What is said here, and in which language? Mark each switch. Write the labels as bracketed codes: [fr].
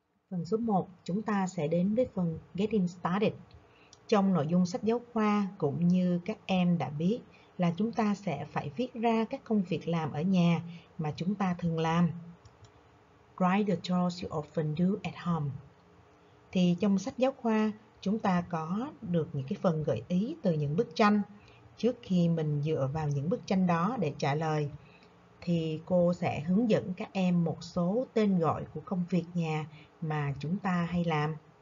[vi] Phần số 1, chúng ta sẽ đến với phần [en] Getting Started. [vi] Trong nội dung sách giáo khoa, cũng như các em đã biết là chúng ta sẽ phải viết ra các công việc làm ở nhà mà chúng ta thường làm. [en] Write the chores you often do at home. [vi] Thì trong sách giáo khoa, chúng ta có được những cái phần gợi ý từ những bức tranh. Trước khi mình dựa vào những bức tranh đó để trả lời, thì cô sẽ hướng dẫn các em một số tên gọi của công việc nhà mà chúng ta hay làm.